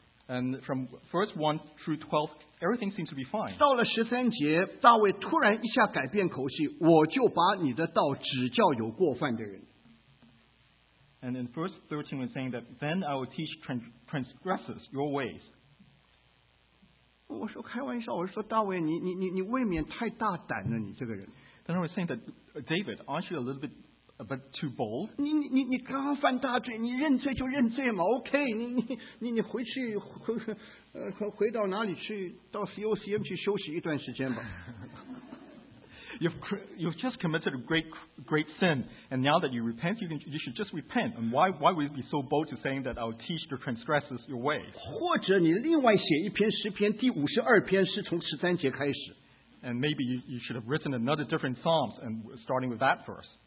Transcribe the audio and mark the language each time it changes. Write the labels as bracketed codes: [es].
[en] and from verse 1 through 12 everything seems to be fine. [zh] 到了13节, 大卫突然一下改变口气, 我就把你的道指教有过犯的人。 [en] And in verse 13 we're saying that then I will teach transgressors your ways. [zh] 我说开玩笑, 我说, 大卫, 你未免太大胆了, 你这个人。 [en] Then I was saying that David, aren't you a bit too bold? [zh] 你刚刚犯大罪, 你认罪就认罪嘛, OK, 你回去回到哪里去, 到 COCM去休息一段时间吧。 [en] You've just committed a great sin, and now that you repent, you should just repent. And why would you be so bold to saying that I'll teach the transgressors your ways? [zh] 或者你另外写一篇诗篇,第52篇是从13节开始。 And maybe you should have written another different psalms and starting with that verse.